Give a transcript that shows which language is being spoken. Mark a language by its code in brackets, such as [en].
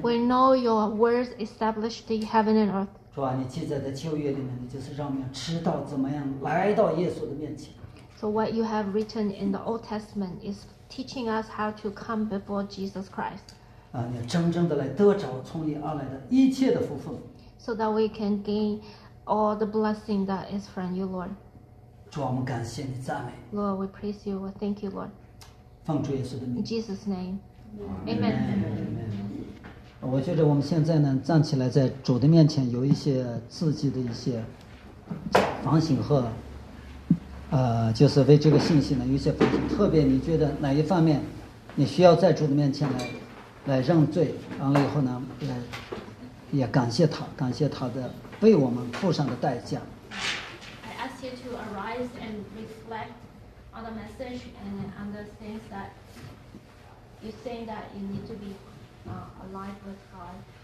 [en] We know your words established the heaven and earth. [zh] 主啊，你记载在旧约里面，你就是让我们知道怎么样来到耶稣的面前。 [en] So what you have written in the Old Testament is. Teaching us how to come before Jesus Christ. [zh] 啊，你要真正的来得着从你而来的一切的福分。 [en] So that we can gain all the blessing that is from you, Lord. [zh] 主啊，我们感谢你，赞美。 [en] Lord, we praise you. Thank you, Lord. [zh] 奉主耶稣的名。 [en] In Jesus' name. Amen. Amen. [zh] 我觉得我们现在呢，站起来在主的面前，有一些自己的一些反省和。就是为这个信息呢有些反省，特别你觉得哪一方面你需要在主的面前来认罪，完了以后呢来也感谢他，感谢他的为我们付上的代价。 [en] I ask you to arise and reflect on the message and on the things that you're saying that you need to be alive with God.